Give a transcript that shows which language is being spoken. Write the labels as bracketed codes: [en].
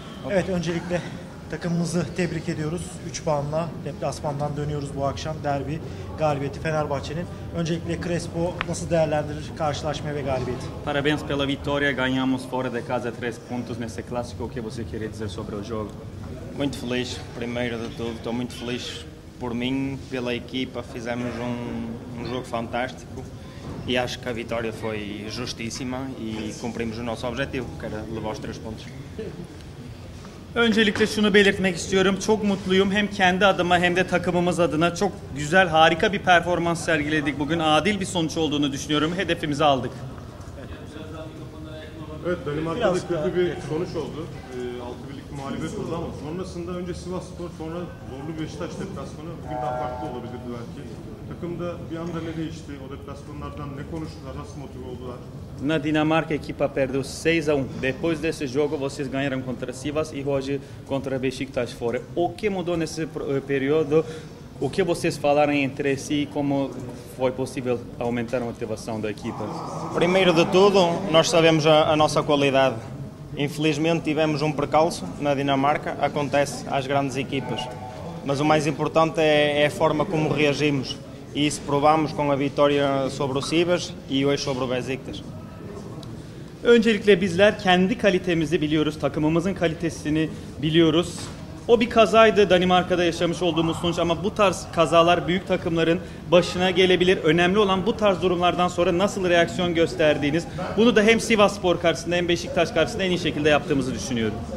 [tr] Evet, öncelikle takımımızı tebrik ediyoruz. 3 puanla deplasmandan dönüyoruz bu akşam. Derbi galibiyeti Fenerbahçe'nin. Öncelikle Crespo nasıl değerlendirir karşılaşmayı ve galibiyeti? [pt] Parabéns pela vitória. Ganhamos fora de casa 3 pontos nesse clássico. O que você queria dizer sobre o jogo? Muito feliz, primeiro de tudo. Estou muito feliz por mim, pela equipa. Fizemos um jogo fantástico. E acho que a vitória foi justíssima e cumprimos o nosso objetivo, que era levar os 3 pontos. [tr] Öncelikle şunu belirtmek istiyorum. Çok mutluyum. Hem kendi adıma hem de takımımız adına çok güzel, harika bir performans sergiledik bugün. Adil bir sonuç olduğunu düşünüyorum. Hedefimizi aldık. Evet, Danimarka'da biraz kötü bir sonuç oldu. 6-1'lik mağlubiyet oldu ama sonrasında önce Sivasspor, sonra zorlu Beşiktaş deplasmanı bugün daha farklı olabilirdi belki. Takımda bir anda ne değişti? O deplasmanlardan ne konuştular? Nasıl motive oldular? [pt] Na Dinamarca a equipa perdeu 6-1. Depois desse jogo vocês ganharam contra Sivas e hoje contra Beşiktaş fora. O que mudou nesse período? O que vocês falaram entre si e como foi possível aumentar a motivação da equipa? Primeiro de tudo, nós sabemos a nossa qualidade. Infelizmente tivemos um percalço na Dinamarca, acontece às grandes equipas. Mas o mais importante é a forma como reagimos. E isso provamos com a vitória sobre o Sivas e hoje sobre o Beşiktaş. [tr] Öncelikle bizler kendi kalitemizi biliyoruz, takımımızın kalitesini biliyoruz. O bir kazaydı Danimarka'da yaşamış olduğumuz sonuç ama bu tarz kazalar büyük takımların başına gelebilir. Önemli olan bu tarz durumlardan sonra nasıl reaksiyon gösterdiğiniz. Bunu da hem Sivasspor karşısında hem Beşiktaş karşısında en iyi şekilde yaptığımızı düşünüyorum.